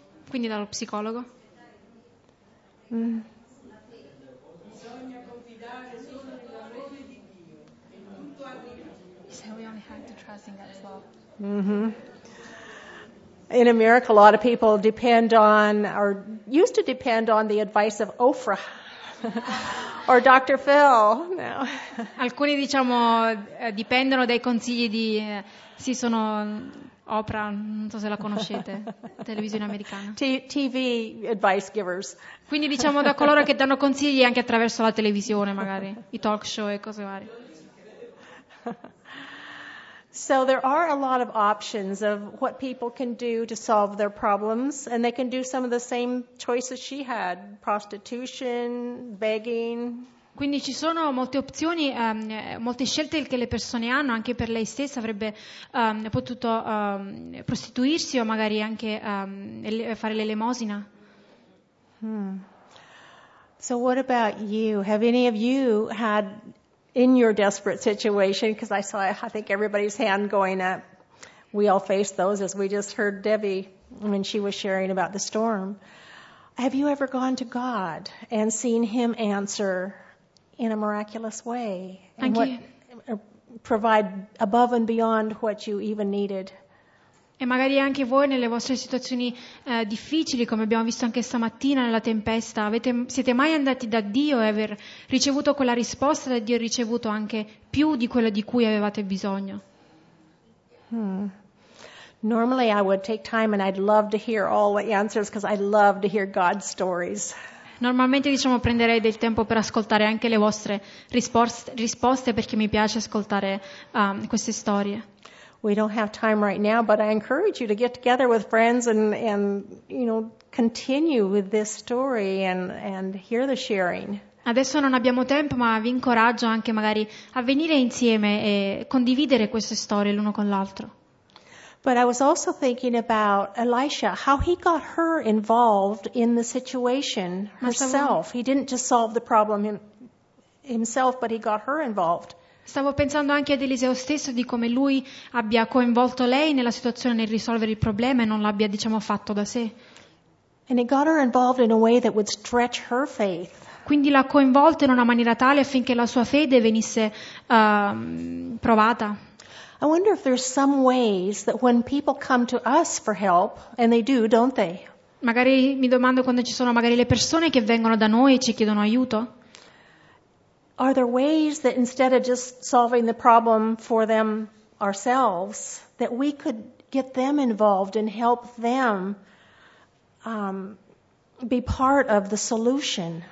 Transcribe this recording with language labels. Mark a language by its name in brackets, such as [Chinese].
[Italian] Quindi dallo psicologo. Bisogna confidare solo nell'amore di Dio. [English] So we only have to trust in God as well. Mm-hmm. In America, a lot of people depend on, or used to depend on, the advice of Oprah or Dr. Phil. No. [Italian] Alcuni diciamo dipendono dai consigli di, sì, sono Oprah, non so se la conoscete, televisione americana. [English] TV advice givers. [Italian] Quindi diciamo da coloro che danno consigli anche attraverso la televisione, magari i talk show e cose varie. [English] So there are a lot of options of what people can do to solve their problems, and they can do some of the same choices she had: prostitution, begging. [Italian] Quindi ci sono molte opzioni, molte scelte che le persone hanno. Anche per lei stessa avrebbe potuto prostituirsi o magari anche fare l'elemosina. [English] So what about you? Have any of you had? In your desperate situation, because I think everybody's hand going up. We all face those, as we just heard Debbie when she was sharing about the storm. Have you ever gone to God and seen Him answer in a miraculous way? And provide above and beyond what you even needed? [Italian] E magari anche voi nelle vostre situazioni difficili, come abbiamo visto anche stamattina nella tempesta, siete mai andati da Dio e aver ricevuto quella risposta da Dio e ricevuto anche più di quello di cui avevate bisogno? [English] Normally I would take time and I'd love to hear all the answers because I love to hear God's stories. [Italian] Normalmente diciamo prenderei del tempo per ascoltare anche le vostre risposte perché mi piace ascoltare queste storie. [English] We don't have time right now, but I encourage you to get together with friends and you know continue with this story and hear the sharing. [Italian] Adesso non abbiamo tempo, ma vi incoraggio anche magari a venire insieme e condividere queste storie l'uno con l'altro. [English] But I was also thinking about Elisha, how he got her involved in the situation herself. He didn't just solve the problem himself, but he got her involved. [Italian] Stavo pensando anche ad Eliseo stesso, di come lui abbia coinvolto lei nella situazione nel risolvere il problema e non l'abbia, diciamo, fatto da sé. [English] And it got her involved in a way that would stretch her faith. [Italian] Quindi l'ha coinvolta in una maniera tale affinché la sua fede venisse provata. [English] I wonder if there's some ways that when people come to us for help, and they do, don't they? [Italian] Magari mi domando quando ci sono magari le persone che vengono da noi e ci chiedono aiuto. [English] Are there ways that instead of just solving the problem for them ourselves, that we could get them involved and help them be part of the solution?